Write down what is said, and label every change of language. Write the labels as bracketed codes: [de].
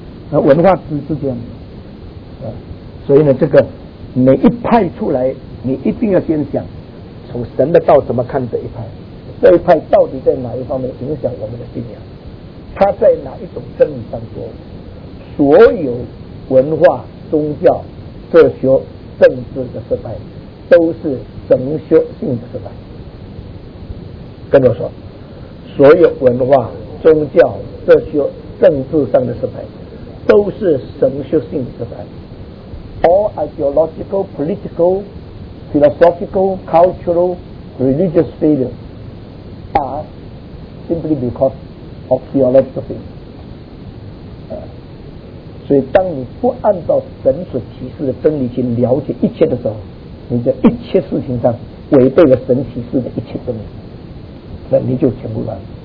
[zh] 啊，文化知识这样的，啊，所以呢，这个每一派出来，你一定要先想，从神的道怎么看这一派，这一派到底在哪一方面影响我们的信仰，他在哪一种真理上说，所有文化、宗教、哲学、政治的失败，都是神学性的失败。跟我说，所有文化、宗教、哲学、政治上的失败，都是神学性的失败。 [en] All ideological, political, philosophical, cultural, religious failures are simply because of theological failure. [zh] 所以当你不按照神所启示的真理去了解一切的时候，你在一切事情上违背了神启示的一切真理，那你就全部乱了。